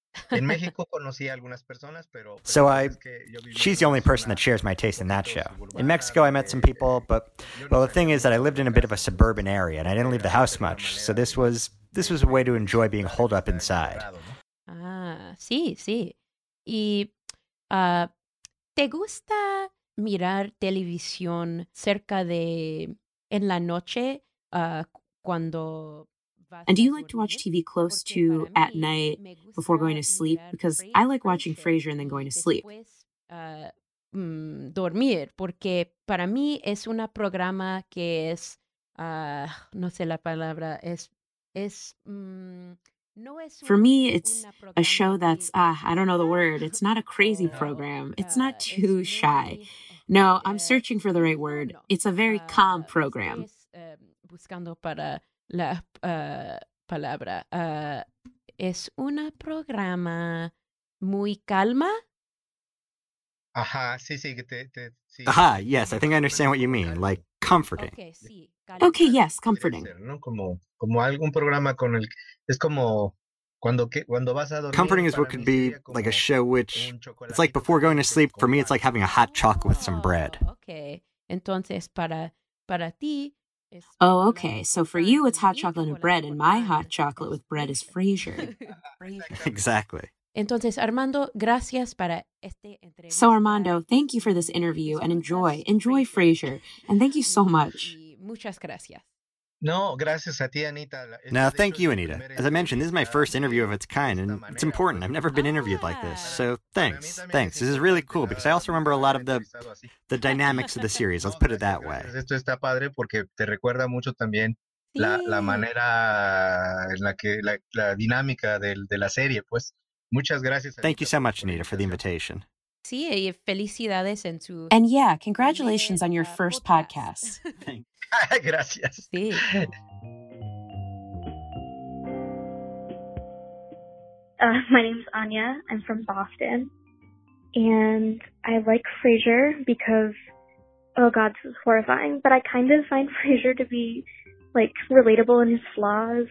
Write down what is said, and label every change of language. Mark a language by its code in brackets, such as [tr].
[es] En México conocí algunas personas, pero [en] so I, she's the only person that shares my taste in that show. In Mexico, I met some people, but well, the thing is that I lived in a bit of a suburban area and I didn't leave the house much. So this was a way to enjoy being holed up inside. [es] Ah, sí, sí. ¿Y te gusta mirar televisión cerca de en la noche cuando? [en] And do you like to watch TV close to at night before going to sleep? Because I like watching Frasier and then going to sleep. [es] Dormir, porque para mí es una programa que es, no sé la palabra, es no es. [en] For me, it's a show that's, I don't know the word. It's not a crazy program. It's not too shy. No, I'm searching for the right word. It's a very calm program. [es] Buscando para... La palabra es una programa muy calma. Ajá, sí, sí, que te, sí. [en] Ajá, yes, I think I understand what you mean, like comforting. [es] Okay, sí, [en] calma. Okay, yes, comforting. [es] Como algún programa con el es como cuando vas a dormir. [en] Comforting is what could be like a show which it's like before going to sleep. For me, it's like having a hot chocolate with some bread. [es] Okay, entonces para ti [en] Oh, okay. So for you, it's hot chocolate and bread, and my hot chocolate with bread is Frasier. Exactly. [es] Entonces, Armando, gracias para este entrevista. [en] So, Armando, thank you for this interview, and enjoy Frasier, and thank you so much. [es] Muchas gracias. No, gracias a ti, Anita. [en] Now, thank you, Anita. As I mentioned, this is my first interview of its kind, and it's important. I've never been interviewed like this, so thanks. Thanks. This is really cool, because I also remember a lot of the dynamics of the series. Let's put it that way. [es] Esto está padre porque te recuerda mucho también la manera en la que la dinámica de la serie, pues. Muchas gracias. [en] Thank you so much, Anita, for the invitation. [es] Sí, y felicidades en tu... [en] And yeah, congratulations on your first podcast. [es] Gracias. Sí. [en] My name's Anya. I'm from Boston. And I like Frasier because, oh God, this is horrifying, but I kind of find Frasier to be, like, relatable in his flaws.